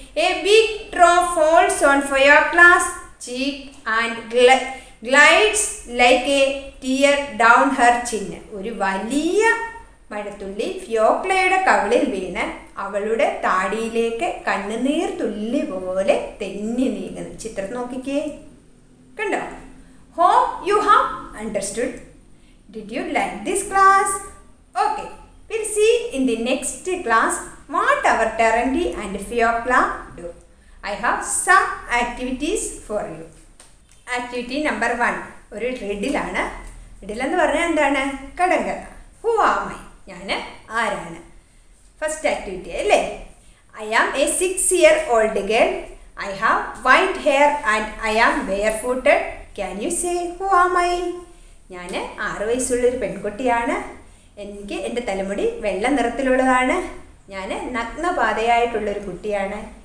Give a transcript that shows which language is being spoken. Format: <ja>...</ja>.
<en>A big drop falls on Fyokla's cheek and glides like a tear down her chin.</en> <ml>ഒരു വലിയ മഴത്തുള്ളി ഫിയോക്ലയുടെ കവിളിൽ വീണ് അവളുടെ താടിയിലേക്ക് കണ്ണുനീർ തുള്ളി പോലെ തെന്നി നീങ്ങുന്നു. ചിത്രം നോക്കിക്കേ. കണ്ടോ?</ml> <en>Hope you have understood. Did you like this class? Okay, we'll see in the next class what our Terendi and Fiocla do. I have some activities for you. Activity number 1.</en> <ml>ഒരു റിഡിലാണ്. റിഡിലെന്ന് പറഞ്ഞാൽ എന്താണ്? കടങ്കഥ.</ml> <en>Who am I?</en> <ml>ഞാൻ ആരാണ്?</ml> <en>First activity അല്ലേ. I am a 6-year-old girl. I have white hair and I am barefooted. Can you say who am I?</en> <ml>ഞാൻ 6 വയസ്സുള്ളൊരു പെൺകുട്ടിയാണ്. എനിക്ക് എൻ്റെ തലമുടി വെള്ള നിറത്തിലുള്ളതാണ്. ഞാൻ നഗ്നപാതയായിട്ടുള്ളൊരു കുട്ടിയാണ്.</ml>